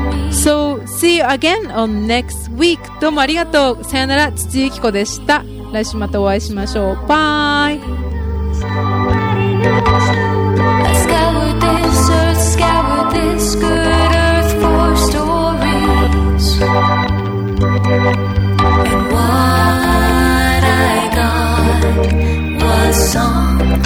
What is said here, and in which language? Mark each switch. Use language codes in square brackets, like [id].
[en] So, see you again on next week. [ja] どうもありがとう。さよなら、土井由紀子でした。来週またお会いしましょう。バイ。 [en] I scour this earth, scour this good earth for stories. And what I got was song.